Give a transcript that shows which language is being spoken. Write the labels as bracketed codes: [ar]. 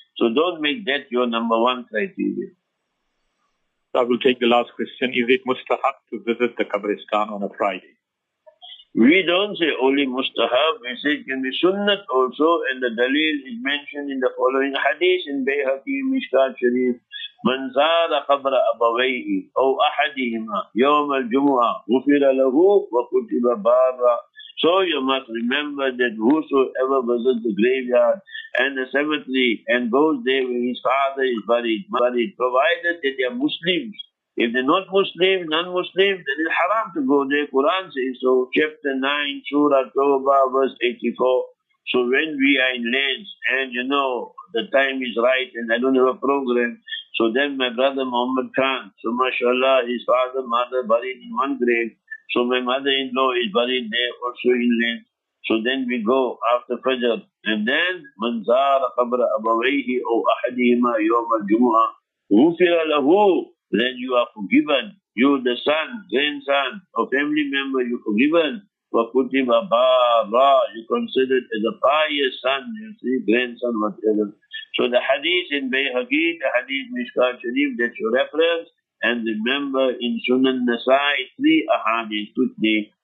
[en] So don't make that your number one criteria. I will take the last question. Is it mustahab to visit the Qabristan on a Friday? We don't say only mustahab, we say it can be sunnat also, and the dalil is mentioned in the following hadith in Bayhaqi Mishkat Sharif. [ar] من زار قبر أبويه أو أحدهما يوم الجمعة غفر له وكتب بارا. [en] So you must remember that whosoever visits the graveyard and the cemetery and goes there where his father is buried, provided that they are Muslims. If they're not Muslim, non-Muslim, then it's haram to go there. Quran says so. Chapter 9, Surah Tawbah, verse 84. So when we are in Leeds, and you know, the time is right, and I don't have a program, so then my brother Muhammad Khan, so mashallah, his father, mother buried in one grave. So my mother-in-law is buried there also in Leeds. So then we go after Fajr. And then, [ar] من زار قبر أبويه أو أحدهما يوم الجمعة غفر له. [en] Then you are forgiven. You, the son, grandson, or family member, you're forgiven. [ar] وَقُتِبَ بَارَ. [en] You're considered as a pious son, you see, grandson, whatever. So the hadith in Bayhaqi, the hadith Mishkan Sharif, that's your reference. And remember in Sunan Nasai, three ahadith, quickly.